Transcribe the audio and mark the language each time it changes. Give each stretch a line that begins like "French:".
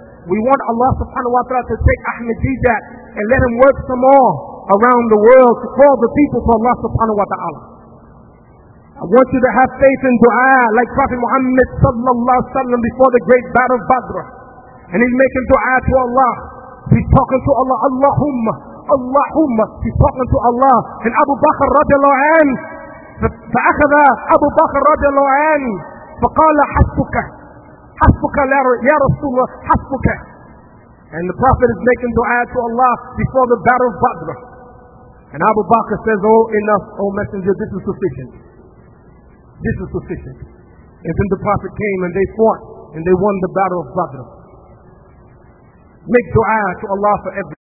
English: We want Allah subhanahu wa ta'ala to take Ahmadinejad and let him work some more around the world to call the people to Allah subhanahu wa ta'ala. I want you to have faith in dua like Prophet Muhammad sallallahu alaihi wasallam before the great battle of Badr. And he's making dua to Allah. He's talking to Allah, Allahumma, Allahumma. He's talking to Allah. And Abu Bakr radiallahu anhu,
Arabic: فأخذ أبو بكر رضي الله عنه فقال حسبك حسبك يا رسول الله حسبك
English: And the Prophet is making dua to Allah before the battle of Badr. And Abu Bakr says, "Oh, enough, O Messenger, this is sufficient. This is sufficient." And then the Prophet came and they fought and they won the battle of Badr. Make dua to Allah for everything.